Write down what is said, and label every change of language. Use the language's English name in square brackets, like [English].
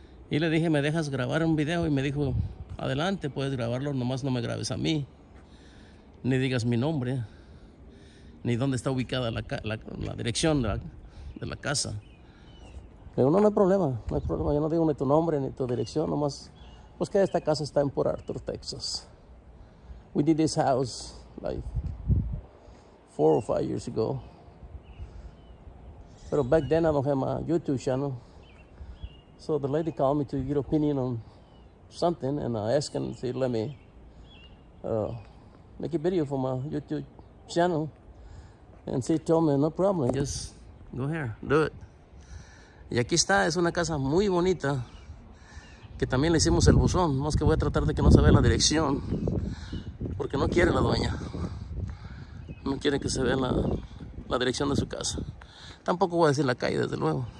[Spanish] Y le dije, ¿me dejas grabar un video? Y me dijo, adelante, puedes grabarlo, nomás no me grabes a mí. Ni digas mi nombre, ni dónde está ubicada la dirección de la casa. Pero no hay problema, no hay problema. Yo no digo ni tu nombre ni tu dirección, nomás, pues que esta casa está en Port Arthur, Texas. [English] We did this house like 4 or 5 years ago. [Spanish] Pero [English] back then I don't have my YouTube channel. So the lady called me to get opinion on something and I asked him to let me make a video for my YouTube channel. And she told me, no problem, just go here, do it. [Spanish] Y aquí está, es una casa muy bonita, que también le hicimos el buzón, más que voy a tratar de que no se vea la dirección, porque no quiere la dueña. No quiere que se vea la dirección de su casa. Tampoco voy a decir la calle, desde luego.